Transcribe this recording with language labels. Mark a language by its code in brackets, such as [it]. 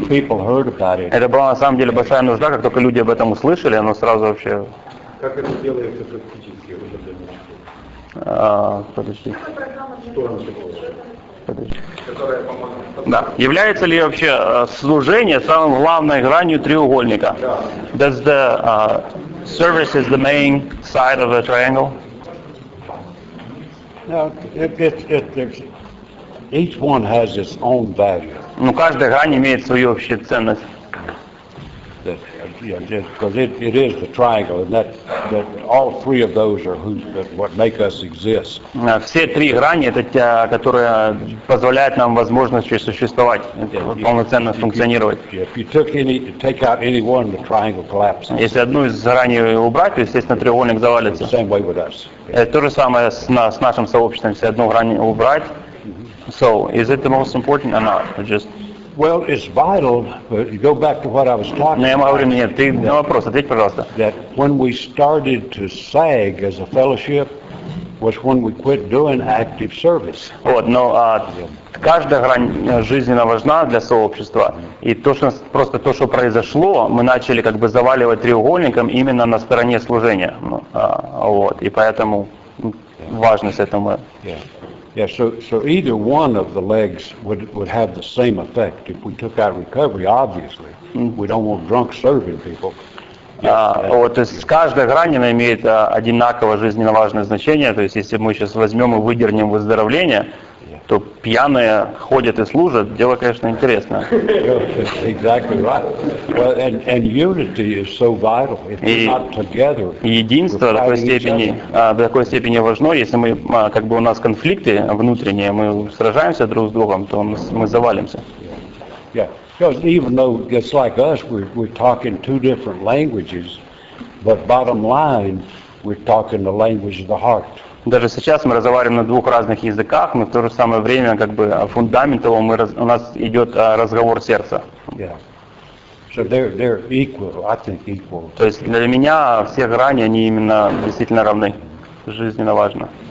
[ru] Это была на самом деле большая нужда, как только люди об этом услышали, оно сразу вообще. Как это делается практически в этом? Подожди. Что она такое? Подожди. Которая помогает. Да. Является ли вообще служение самой главной гранью треугольника? Да. [en] Does the service is the main side of the triangle? No, it's each one has its own value. [ru] Ну, каждая грань имеет свою общую ценность. [en] Because it is the triangle, and that all three of those are what make us exist. [ru] Все три грани — это те, которые позволяют нам возможность существовать, полноценно функционировать. [en] If you take out any one, the triangle collapses. [ru] Если одну из граней убрать, естественно, треугольник завалится. [en] Same way with us. [ru] То же самое с нашим сообществом. Если одну грань убрать, [en] so is it the most important or not? Just well, it's vital, but go back to what I was talking about. [ru] Я говорю, нет, ты на вопрос ответь, пожалуйста. [en] That when we started to sag as a fellowship was when we quit doing active service. [ru] Вот, но каждая грань жизненно важна для сообщества. И то, что произошло, мы начали как бы заваливать треугольником именно на стороне служения. Вот, и поэтому важность этому. [en] Yeah, so either one of the legs would have the same effect. If we took out recovery, obviously, we don't want drunk serving people. [ru] Вот, то есть каждая грань имеет одинаково жизненно важное значение. То есть если мы сейчас возьмем и выдернем выздоровление, то пьяные ходят и служат. Дело, конечно, интересное. [en] Exactly right. Well, and unity is so vital. If we're not together, [ru] единство в такой степени важно. Если мы как бы у нас конфликты внутренние, мы сражаемся друг с другом, то мы завалимся. [en] Yeah, because even though it's like us, we're talking two different languages, but bottom line, we're talking the language of the heart. [ru] Даже сейчас мы разговариваем на двух разных языках, но в то же самое время, как бы фундаментово, у нас идет разговор сердца. [en] Yeah. So they're equal, I think equal. [ru] То есть для меня все грани, они именно действительно равны. Жизненно важно.